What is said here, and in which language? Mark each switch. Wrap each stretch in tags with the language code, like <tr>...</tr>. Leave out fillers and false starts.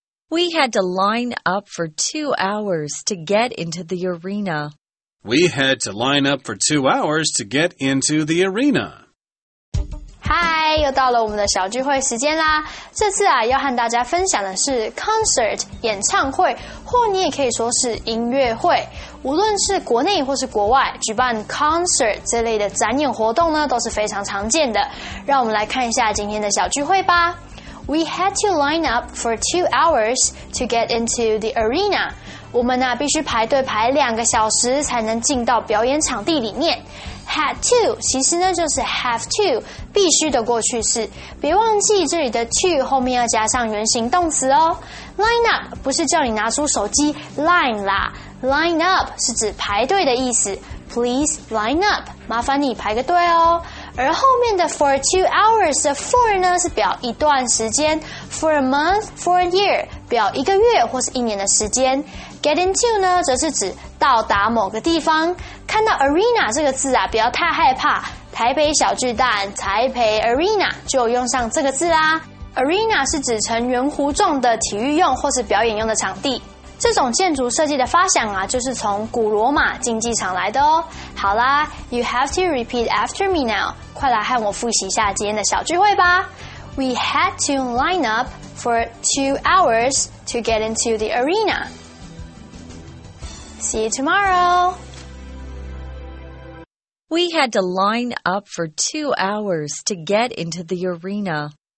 <en>We had to line up for 2 hours to get into the arena. We had to line up for 2 hours to get into the arena.</en> <zh>Hi, 又到了我们的小聚会时间啦。这次啊，要和大家分享的是 concert, 演唱会，或你也可以说是音乐会。无论是国内或是国外，举办 concert 这类的展演活动呢，都是非常常见的。让我们来看一下今天的小聚会吧。 We had to line up for 2 hours to get into the arena. 我们呢、啊、必须排队排2个小时才能进到表演场地里面。 Had to 其实呢就是 have to, 必须的过去式。别忘记这里的 to 后面要加上原形动词哦。 Line up 不是叫你拿出手机 line 啦。Line up 是指排队的意思。</zh> <en>Please line up,</en> <zh>麻烦你排个队哦。而后面的 for 2 hours 的 for 呢是表一段时间。</zh> <en>For a month, for a year,</en> <zh>表一个月或是一年的时间。 Get into 呢则是指到达某个地方。看到 arena 这个字啊不要太害怕。台北小巨蛋台北 arena 就用上这个字啦。 Arena 是指呈圆弧状的体育用或是表演用的场地。这种建筑设计的发想啊就是从古罗马竞技场来的哦。好啦</zh> <en>,you have to repeat after me now.</en> <zh>快来和我复习一下今天的小聚会吧。</zh> <en>We had to line up for 2 hours to get into the arena. See you tomorrow. We had to line up for 2 hours to get into the arena.</en>